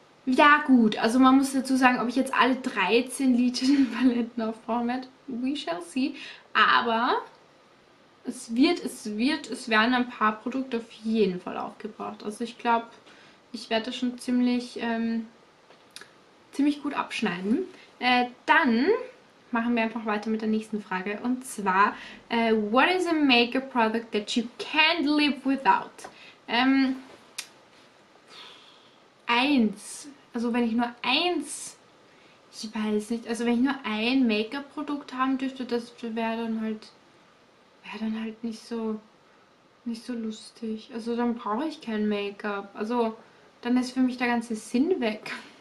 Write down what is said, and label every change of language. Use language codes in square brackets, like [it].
[de] Ja, gut, also man muss dazu sagen, ob ich jetzt alle 13 Lidschattenpaletten aufbrauchen werde. [en] We shall see. [de] Aber es werden ein paar Produkte auf jeden Fall aufgebraucht. Also ich glaube, ich werde da schon ziemlich gut abschneiden. Dann machen wir einfach weiter mit der nächsten Frage. Und zwar: [en] What is a makeup product that you can't live without? [de] Eins. Also wenn ich nur eins, ich weiß nicht, also wenn ich nur ein Make-up-Produkt haben dürfte, das wäre dann halt nicht so lustig. Also dann brauche ich kein Make-up. Also dann ist für mich der ganze Sinn weg.